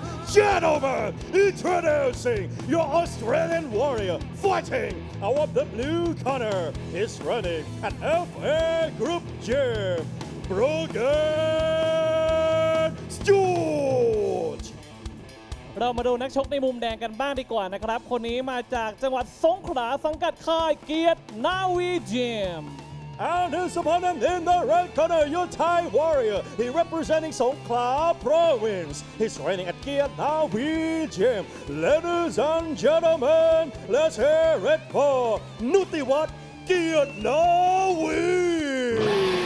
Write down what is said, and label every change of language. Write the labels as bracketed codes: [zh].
[en] Gentlemen, introducing your Australian warrior fighting out of the blue corner. He's running at FA Group Gym, Brogan Stewart. [th] เรามาดูนักชกในมุมแดงกันบ้างดีกว่านะครับคนนี้มาจากจังหวัดสงขลาสังกัดค่ายเกียรตินาวีจิม [en] And his opponent in the red corner, your Thai warrior. He representing Songkhla province. He's training at Kia Navi Gym. Ladies and gentlemen, let's hear it for Nutiwat Kia Navi.